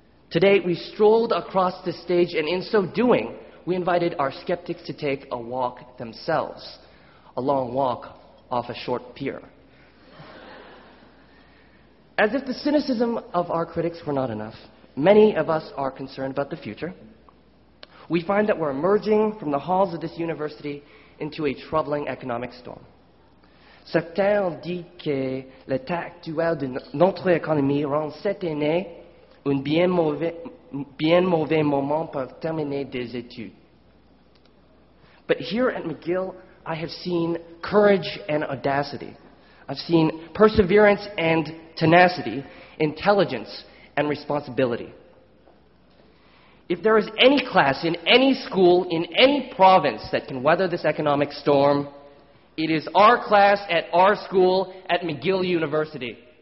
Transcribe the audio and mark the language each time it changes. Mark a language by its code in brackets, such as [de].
[en] Today, we strolled across the stage, and in so doing, we invited our skeptics to take a walk themselves, a long walk off a short pier. As if the cynicism of our critics were not enough, many of us are concerned about the future. We find that we're emerging from the halls of this university into a troubling economic storm. [fr] Certains disent que l'état actuel de notre économie rend cette année un bien mauvais moment pour terminer des études. [en] But here at McGill, I have seen courage and audacity. I've seen perseverance and tenacity, intelligence and responsibility. If there is any class in any school in any province that can weather this economic storm, it is our class at our school at McGill University.